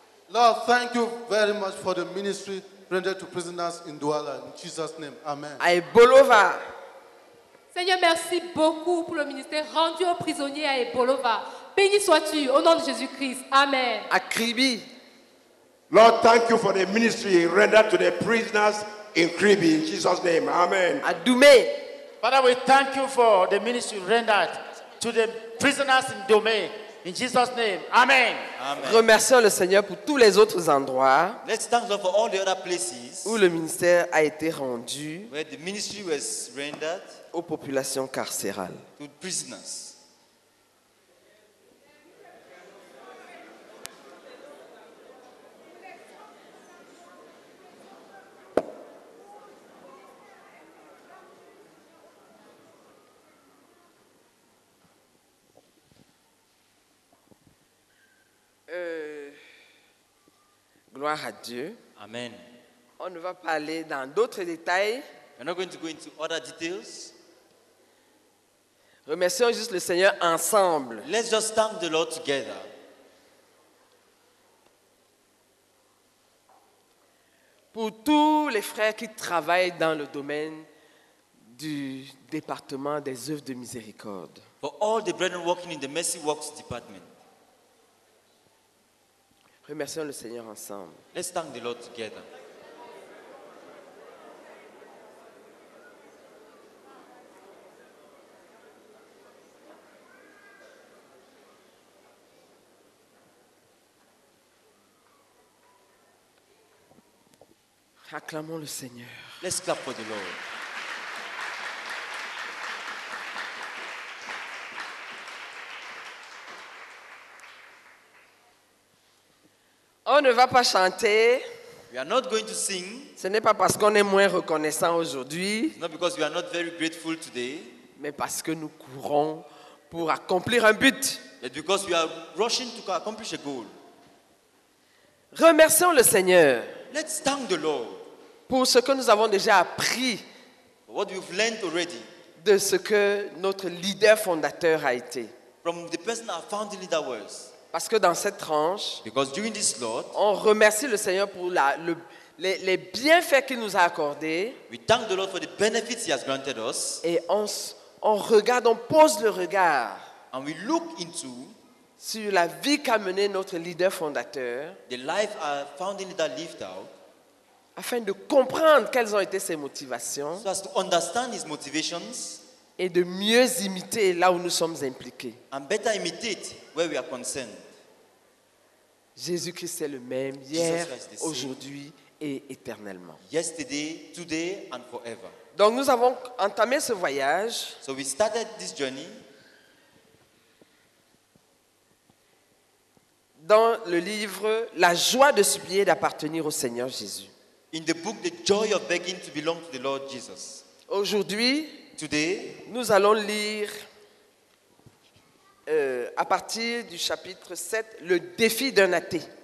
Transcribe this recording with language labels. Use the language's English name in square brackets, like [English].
[English] Lord, thank you very much for the ministry rendered to prisoners in Douala. In Jesus' name, amen. [French] À Ebolova. Seigneur, merci beaucoup pour le ministère rendu aux prisonniers à Ebolova. Béni sois-tu au nom de Jésus-Christ. Amen. À Kribi. [English] Lord, thank you for the ministry rendered to the prisoners in Kribi. In Jesus' name, amen. [French] À Doumé. [English] Father, we thank you for the ministry rendered to the prisoners in Doumé. In Jesus' name. Amen. Amen. [French] Remercions le Seigneur pour tous les autres endroits. [English] Let's thank God for all the other places [French] où le ministère a été rendu. [English] Where the ministry was rendered [French] aux populations carcérales. [English] To prisoners. [French] Gloire à Dieu. Amen. On ne va pas aller dans d'autres détails. [English] We're not going to go into other details. [French] Remercions juste le Seigneur ensemble. [English] Let's just thank the Lord together. [French] Pour tous les frères qui travaillent dans le domaine du département des œuvres de miséricorde. [English] For all the brethren working in the Mercy Works Department. [French] Remercions le Seigneur ensemble. [English] Let's thank the Lord together. [French] Acclamons le Seigneur. [English] Let's clap for the Lord. [French] On ne va pas chanter. [English] We are not going to sing. [French] Ce n'est pas parce qu'on est moins reconnaissant aujourd'hui. [English] Not because we are not very grateful today. [French] Mais parce que nous courons pour accomplir un but. [English] But because we are rushing to accomplish a goal. [French] Remercions le Seigneur. [English] Let's thank the Lord. [French] Pour ce que nous avons déjà appris. [English] What we've learned already. [French] De ce que notre leader fondateur a été. [English] From the person our founding leader was. [French] Parce que dans cette tranche, [English] because during this slot, [French] on remercie le Seigneur pour les bienfaits qu'il nous a accordés. [English] We thank the Lord for the benefits he has granted us. [French] Et on pose le regard. [English] And we look into [French] sur la vie qu'a mené notre leader fondateur. [English] The life our founding leader lived out. [French] Afin de comprendre quelles ont été ses motivations, [English] so as to understand his motivations, [French] et de mieux imiter là où nous sommes impliqués. [English] And better imitate where we are concerned. [French] Jésus-Christ est le même hier, aujourd'hui et éternellement. [English] Yesterday, today and forever. [French] Donc nous avons entamé ce voyage. [English] So we started this journey. [French] Dans le livre La joie de supplier d'appartenir au Seigneur Jésus. [English] In the book, The Joy of Begging to Belong to the Lord Jesus. [French] Aujourd'hui, [English] today, [French] nous allons lire à partir du chapitre 7, le défi d'un athée.